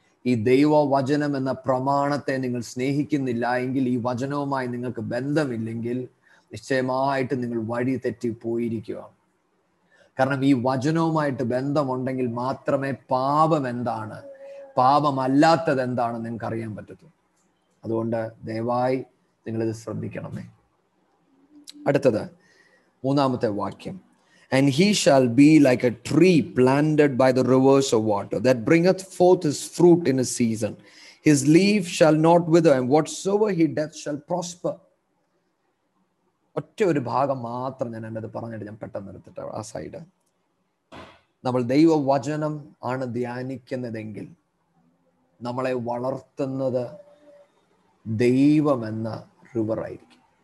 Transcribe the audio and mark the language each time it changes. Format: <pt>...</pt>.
<ml>ഈ ദൈവവചനം എന്ന പ്രമാണത്തെ നിങ്ങൾ സ്നേഹിക്കുന്നില്ല എങ്കിൽ, ഈ വചനവുമായി നിങ്ങൾക്ക് ബന്ധമില്ലെങ്കിൽ, നിശ്ചയമായിട്ട് നിങ്ങൾ വഴി തെറ്റി പോയിരിക്കുക. കാരണം ഈ വചനവുമായിട്ട് ബന്ധമുണ്ടെങ്കിൽ മാത്രമേ പാപം എന്താണ്, പാപമല്ലാത്തത് എന്താണ് നിങ്ങൾക്ക് അറിയാൻ പറ്റത്തുള്ളൂ. അതുകൊണ്ട് ദയവായി നിങ്ങളിത് ശ്രദ്ധിക്കണമേ. അടുത്തത് മൂന്നാമത്തെ വാക്യം,</ml> <en>and he shall be like a tree planted by the rivers of water that bringeth forth his fruit in his season, his leaf shall not wither, and whatsoever he doth shall prosper.</en> <ml>ഒറ്റ ഒരു ഭാഗം മാത്രം ഞാൻ എന്നത് പറഞ്ഞിട്ട് ഞാൻ പെട്ടെന്ന് എടുത്തിട്ട് ആ സൈഡ്. നമ്മൾ ദൈവവചനം ആണ് ധ്യാനിക്കുന്നതെങ്കിൽ നമ്മളെ വളർത്തുന്നത് ദൈവം എന്ന റിവർ ആയിരിക്കും.</ml>